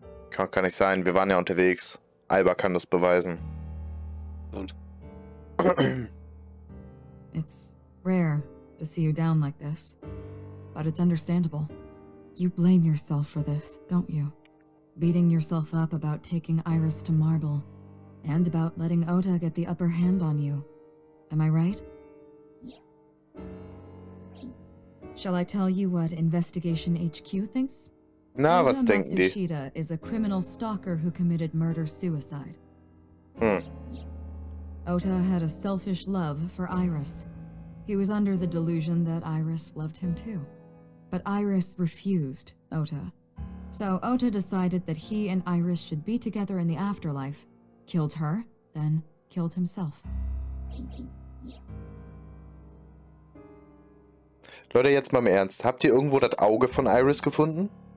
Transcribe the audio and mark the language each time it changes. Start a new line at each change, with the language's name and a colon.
German: Kann nicht sein, wir waren ja unterwegs. Alba kann das beweisen. Und
English: It's rare to see you down like this, but it's understandable. You blame yourself for this, don't you? Beating yourself up about taking Iris to Marble, and about letting Ota get the upper hand on you. Am I right? Shall I tell you what Investigation HQ thinks?
German: Na, was denken die?
English: Matsushita is a criminal stalker who committed murder-suicide. Hm. Ota had a selfish love for Iris. He was under the delusion that Iris loved him too. But Iris refused Ota. So Ota decided that he and Iris should be together in the afterlife, killed her, then killed himself.
German: Leute, jetzt mal im Ernst. Habt ihr irgendwo das Auge von Iris gefunden?